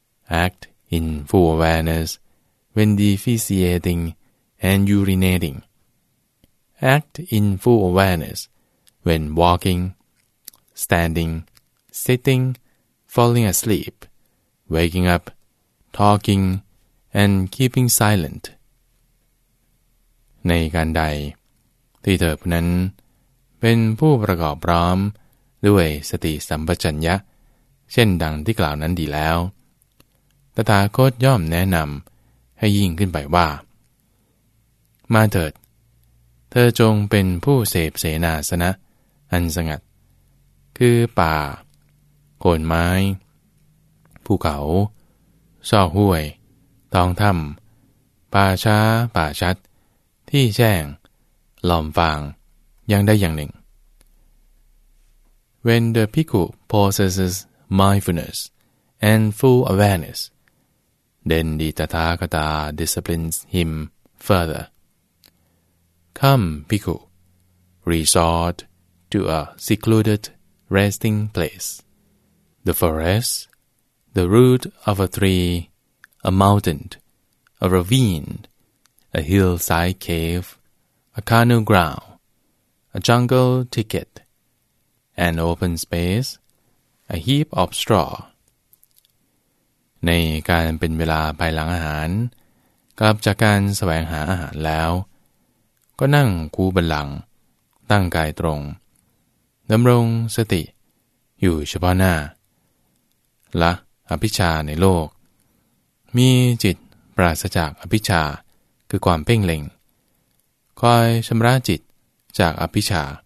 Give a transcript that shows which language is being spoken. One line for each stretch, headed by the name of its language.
English: Act in full awareness when defecating and urinating. Act in full awareness when walking, standing, sitting, falling asleep, waking up, talking, and keeping silent.
Thai: ในการใดที่เธอผู้นั้นเป็นผู้ประกอบพร้อมด้วยสติสัมปชัญญะเช่นดังที่กล่าวนั้นดีแล้วตถาคตย่อมแนะนำให้ยิ่งขึ้นไปว่า มาเถิดเธอจงเป็นผู้เสพเสนาสนะอันสงัดคือป่าโคนไม้ภูเขาซอกห้วยตองถ้ำป่าช้าป่าชัดที่แจ้งหล่อมฟางอย่างใดอย่างหนึ่ง
English: When the bhikkhu possesses mindfulness and full awareness, then the Tathagata disciplines him further. Come, bhikkhu, resort to a secluded resting place, the forest, the root of a tree, a mountain, a ravine, a hillside cave, a canoe ground, a jungle thicket, an open space, a heap of straw.
Thai: ในการเป็นเวลาภายหลังอาหารกลับจากการแสวงหาอาหารแล้วก็นั่งคูบันหลังตั้งกายตรงดำรงสติอยู่เฉพาะหน้าละอภิชฌาในโลกมีจิตปราศจากอภิชฌาคือความเพ่งเล็งคอยชำระจิตจากอภิชฌา